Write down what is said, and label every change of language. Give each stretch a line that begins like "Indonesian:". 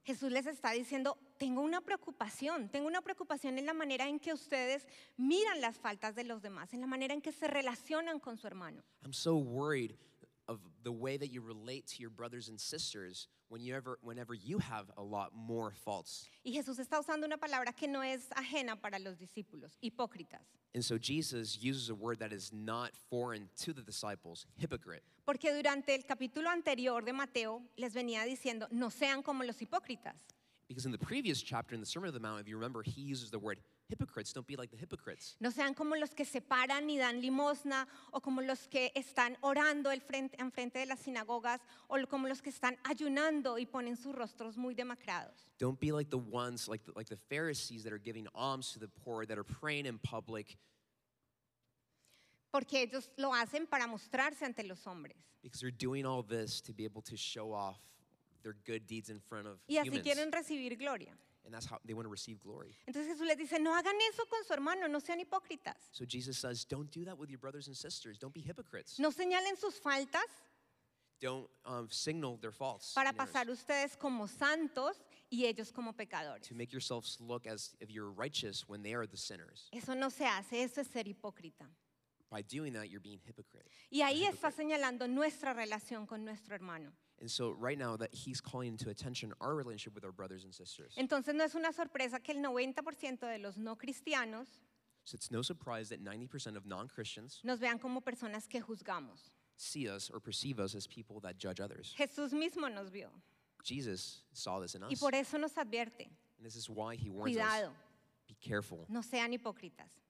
Spanish: Jesús les está diciendo, tengo una preocupación en la manera en que ustedes miran las faltas de los demás, en la manera en que se relacionan con su hermano.
English: I'm so worried of the way that you relate to your brothers and sisters whenever you have a lot more faults.
Spanish: Y Jesús está usando una palabra que no es ajena para los discípulos, hipócritas.
English: And so Jesus uses a word that is not foreign to the disciples, hypocrite.
Spanish: Porque durante el capítulo anterior de Mateo les venía diciendo, no sean como los hipócritas.
English: Because in the previous chapter in the Sermon on the Mount, if you remember, he uses the word hypocrites. Don't be like the hypocrites.
Spanish: No sean como los que se paran y dan limosna, o como los que están orando enfrente de las sinagogas, o como los que están ayunando y ponen sus rostros muy demacrados.
English: Don't be like the ones, like the Pharisees that are giving alms to the poor, that are praying in public.
Spanish: Porque ellos lo hacen para mostrarse ante los hombres.
English: Because they're doing all this to be able to show off their good deeds in front of
Spanish: y así
English: humans.
Spanish: Quieren recibir gloria.
English: And that's how they want to receive glory.
Spanish: Entonces Jesús les dice, no hagan eso con su hermano, no sean hipócritas.
English: So Jesus says, don't do that with your brothers and sisters. Don't be hypocrites.
Spanish: No señalen sus faltas.
English: Don't signal their faults.
Spanish: Para pasar ustedes como santos y ellos como pecadores.
English: To make yourselves look as if you're righteous when they are the sinners.
Spanish: Eso no se hace, eso es ser hipócrita.
English: By doing that, you're being hypocrite.
Spanish: Y ahí está señalando nuestra relación con nuestro hermano.
English: And so right now that he's calling to attention our relationship with our brothers and sisters.
Spanish: Entonces no es una sorpresa que el 90% de los no cristianos.
English: So it's no surprise that 90% of non-Christians.
Spanish: Nos vean como personas que juzgamos.
English: See us or perceive us as people that judge others.
Spanish: Jesús mismo nos vio.
English: Jesus saw this in us.
Spanish: Y por eso nos advierte.
English: And this is why he warns
Spanish: Cuidado.
English: Us. Be careful.
Spanish: No sean hipócritas.